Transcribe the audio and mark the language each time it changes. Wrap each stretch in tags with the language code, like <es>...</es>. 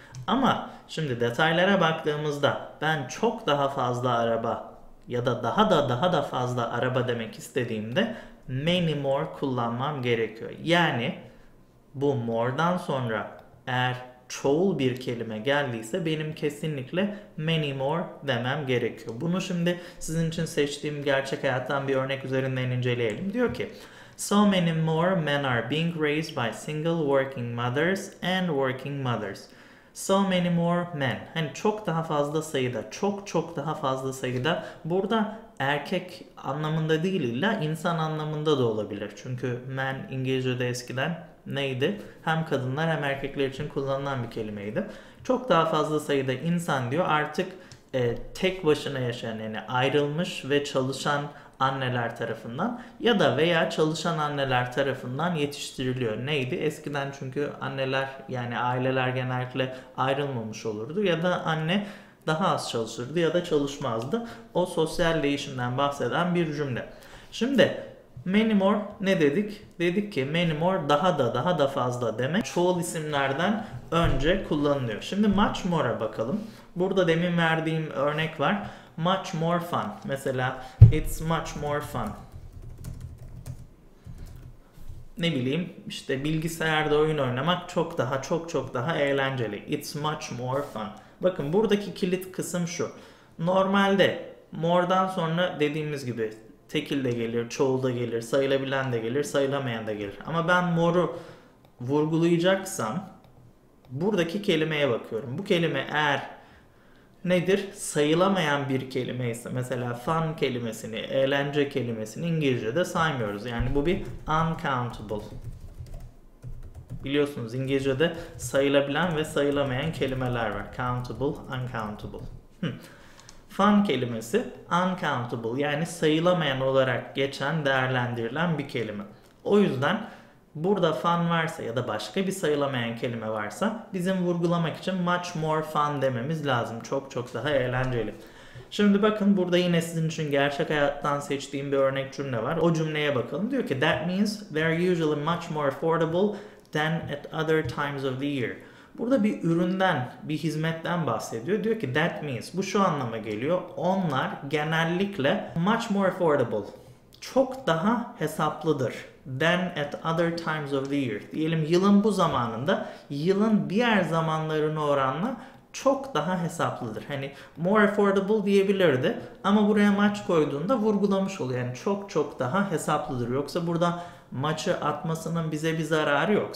<tr>Ama şimdi detaylara baktığımızda ben çok daha fazla araba ya da daha da fazla araba demek istediğimde</tr> <en>many more</en> <tr>kullanmam gerekiyor. Yani bu more'dan sonra eğer çoğul bir kelime geldiyse benim kesinlikle</tr> <en>many more</en> <tr>demem gerekiyor. Bunu şimdi sizin için seçtiğim gerçek hayattan bir örnek üzerinden inceleyelim. Diyor ki,</tr> <en>"So many more men are being raised by single working mothers and working mothers." So many more men.</en> <tr>Hani çok daha fazla sayıda, çok çok daha fazla sayıda. Burada erkek anlamında değil illa insan anlamında da olabilir. Çünkü men İngilizce'de eskiden neydi? Hem kadınlar hem erkekler için kullanılan bir kelimeydi. Çok daha fazla sayıda insan diyor. Artık tek başına yaşayan yani ayrılmış ve çalışan anneler tarafından ya da veya çalışan anneler tarafından yetiştiriliyor. Neydi? Eskiden çünkü anneler yani aileler genellikle ayrılmamış olurdu ya da anne daha az çalışırdı ya da çalışmazdı. O sosyal değişimden bahseden bir cümle. Şimdi</tr> <en>many more</en> <tr>ne dedik? Dedik ki</tr> <en>many more</en> <tr>daha da fazla demek. Çoğul isimlerden önce kullanılıyor. Şimdi much more'a bakalım. Burada demin verdiğim örnek var.</tr> <en>Much more fun.</en> <tr>Mesela</tr> <en>it's much more fun.</en> <tr>Ne bileyim işte bilgisayarda oyun oynamak çok daha çok çok daha eğlenceli.</tr> <en>It's much more fun.</en> <tr>Bakın buradaki kilit kısım şu. Normalde more'dan sonra dediğimiz gibi tekil de gelir, çoğul da gelir, sayılabilen de gelir, sayılamayan da gelir. Ama ben moru vurgulayacaksam buradaki kelimeye bakıyorum. Bu kelime eğer nedir? Sayılamayan bir kelime ise mesela fun kelimesini, eğlence kelimesini İngilizce'de saymıyoruz. Yani bu bir uncountable. Biliyorsunuz İngilizce'de sayılabilen ve sayılamayan kelimeler var. Countable, uncountable. Fun kelimesi uncountable yani sayılamayan olarak geçen değerlendirilen bir kelime. O yüzden burada fun varsa ya da başka bir sayılamayan kelime varsa bizim vurgulamak için</tr> <en>much more fun</en> <tr>dememiz lazım. Çok çok daha eğlenceli. Şimdi bakın burada yine sizin için gerçek hayattan seçtiğim bir örnek cümle var. O cümleye bakalım. Diyor ki</tr> <en>that means they're usually much more affordable than at other times of the year.</en> <tr>Burada bir üründen, bir hizmetten bahsediyor. Diyor ki</tr> <en>that means</en> <tr>bu şu anlama geliyor. Onlar genellikle</tr> <en>much more affordable.</en> <tr>Çok daha hesaplıdır.</tr> <en>Than at other times of the year.</en> <tr>Diyelim yılın bu zamanında yılın diğer zamanlarına oranla çok daha hesaplıdır. Hani</tr> <en>more affordable</en> <tr>diyebilirdi ama buraya much koyduğunda vurgulamış oluyor. Yani çok çok daha hesaplıdır. Yoksa burada maçı atmasının bize bir zararı yok.</tr>